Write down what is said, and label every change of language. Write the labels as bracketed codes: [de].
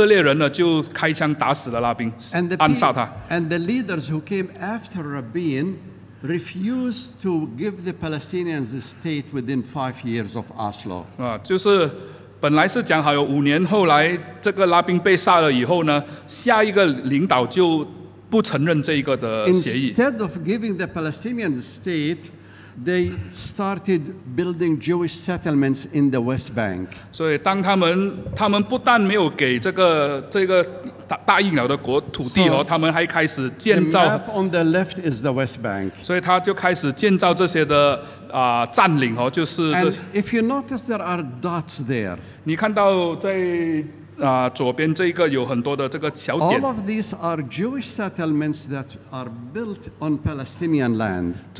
[zh] 所以当这个协议过后没有多久呢，有一个极端的以色列人呢就开枪打死了拉宾，暗杀他。 [en] And the leaders who came after Rabin refused to give the Palestinians a state within 5 years of Oslo. [zh] 就是本来是讲好有五年，后来这个拉宾被杀了以后呢，下一个领导就不承认这一个的协议。 [en] Instead of giving the Palestinians a state, they started building Jewish settlements in the West Bank. [zh] 所以当他们不但没有给这个答应了的国土地，他们还开始建造。 [en] The map on the left is the West Bank. [zh] 所以他就开始建造这些的占领，就是这。 [en] And if you notice, there are dots there. [zh] 你看到在左边这个有很多的这个小点。 [en] All of these are Jewish settlements that are built on Palestinian land.